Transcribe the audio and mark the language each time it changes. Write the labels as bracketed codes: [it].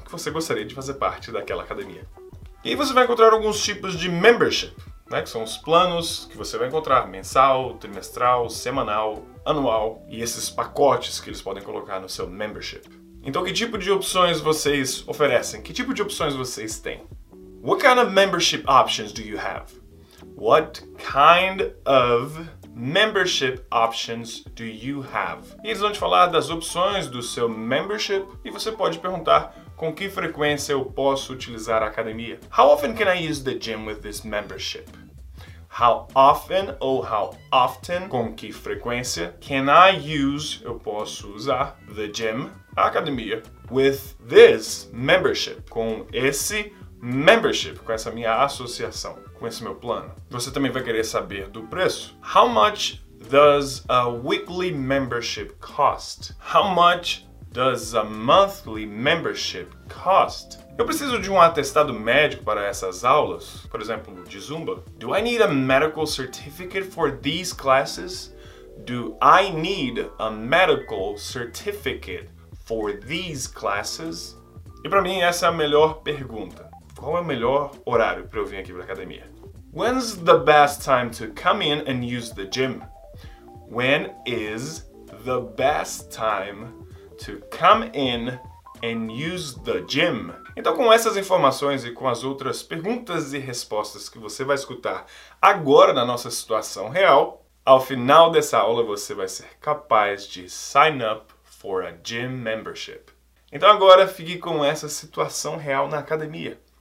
[pt] Que você gostaria de fazer parte daquela academia. E aí você vai encontrar alguns tipos de membership, né? Que são os planos que você vai encontrar. Mensal, trimestral, semanal, anual. E esses pacotes que eles podem colocar no seu membership. Então, que tipo de opções vocês oferecem? Que tipo de opções vocês têm? [en] What kind of membership options do you have? What kind of membership options do you have? [pt] E eles vão te falar das opções do seu membership e você pode perguntar com que frequência eu posso utilizar a academia. [en] How often can I use the gym with this membership? How often [pt] ou [en] how often, [pt] com que frequência, [en] can I use, [pt] eu posso usar, [en] the gym, [pt] a academia, [en] with this membership, [pt] com esse membership, com essa minha associação, com esse meu plano. Você também vai querer saber do preço. [en] How much does a weekly membership cost? How much does a monthly membership cost? [pt] Eu preciso de um atestado médico para essas aulas, por exemplo, de Zumba. [en] Do I need a medical certificate for these classes? Do I need a medical certificate for these classes? [pt] E para mim essa é a melhor pergunta. Qual é o melhor horário para eu vir aqui para a academia? [en] When's the best time to come in and use the gym? When is the best time to come in and use the gym? [pt] Então, com essas informações e com as outras perguntas e respostas que você vai escutar agora na nossa situação real, ao final dessa aula você vai ser capaz de [en] sign up for a gym membership. [pt] Então agora fique com essa situação real na academia.